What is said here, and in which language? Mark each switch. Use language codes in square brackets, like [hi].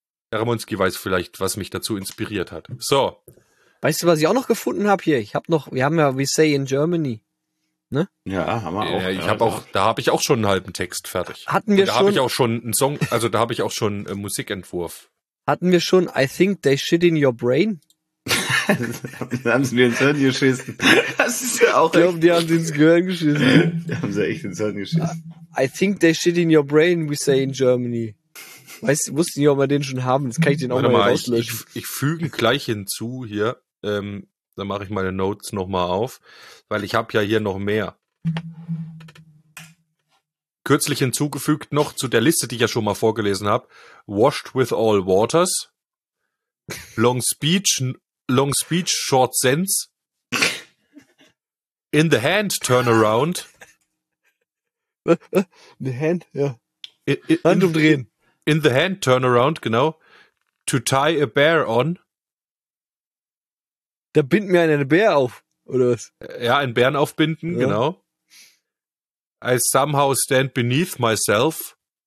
[de] Herr Ramonski weiß vielleicht, was mich dazu inspiriert hat. So. Weißt du, was ich auch noch gefunden habe hier? Wir haben ja [en] We Say in Germany. [de] Ne? Ja, haben wir auch. Da habe ich auch schon einen halben Text fertig. Hatten wir da schon? Da habe ich auch schon einen Song, also da habe ich auch schon einen Musikentwurf. Hatten wir schon [en] I think they shit in your brain? [de] Da haben sie mir ins Hirn geschissen. Das ist ja auch echt. Ich glaube, die haben sie ins Gehirn geschissen. Da haben sie echt ins Hirn geschissen. [en] I think they shit in your brain, we say in Germany. [de] Wusste nicht, ob wir den schon haben. Jetzt kann ich den auch mal rauslöschen. Ich füge gleich hinzu hier. Dann mache ich meine Notes nochmal auf, weil ich habe ja hier noch mehr. Kürzlich hinzugefügt noch zu der Liste, die ich ja schon mal vorgelesen habe. [en] Washed with all waters. Long speech, short sense. In the hand, turn around. In the hand, [de] ja. Hand umdrehen. [en] In the hand, turn around, [de] genau. [en] To tie a bear on. [de] Da bind mir einen Bär auf, oder was? Ja, einen Bären aufbinden, genau. [en] I somehow stand beneath myself.